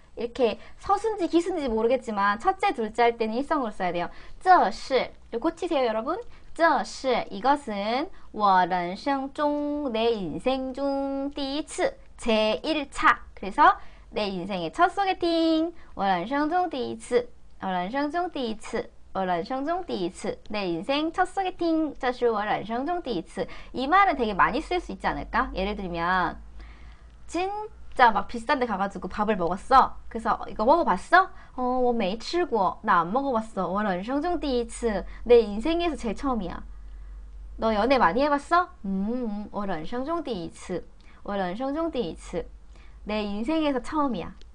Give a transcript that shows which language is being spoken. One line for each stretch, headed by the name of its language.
Korean: 이렇게 서순지, 기순지 모르겠지만, 첫째, 둘째 할 때는 일성으로 써야 돼요.
Chinese: 这是.
Korean: 이거 고치세요, 여러분.
Chinese: 这是.
Korean: 이것은,
Chinese: 我人生中,
Korean: 내 인생 중, 第一次. 제1차. 그래서, 내 인생의 첫 소개팅.
Chinese: 我人生中第一次.我人生中第一次. 我人生中第一次,
Korean: 내 인생 첫 소개팅,
Chinese: 这是我人生中第一次.
Korean: 이 말은 되게 많이 쓸수 있지 않을까? 예를 들면, 진짜 막 비싼 데 가가지고 밥을 먹었어. 그래서 이거 먹어봤어?
Chinese: 我没吃过,
Korean: 나안 먹어봤어.
Chinese: 我人生中第一次,
Korean: 내 인생에서 제일 처음이야. 너 연애 많이 해봤어?
Chinese: 我人生中第一次, 我人生中第一次,
Korean: 내 인생에서 처음이야.